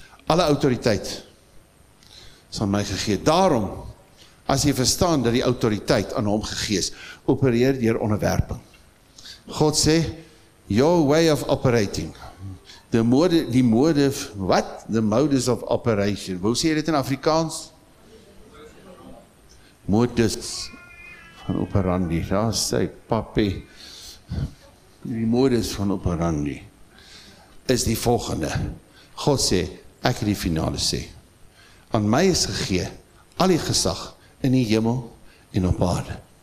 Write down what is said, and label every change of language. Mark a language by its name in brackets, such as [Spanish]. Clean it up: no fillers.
[Afrikaans] Alle autoriteit is aan my gegee. Daarom, as jy verstaan dat die autoriteit aan hom gegee is, opereer deur onderwerping. God sê, [English] your way of operating, the modus of operation. [Afrikaans] Hoe sê jy dit in Afrikaans? Modus van operandi. Daar sê, papi, die modus van operandi is die volgende. God sê, ek het die finale sê. Aan my is gegee al die gesag in die hemel en op aarde.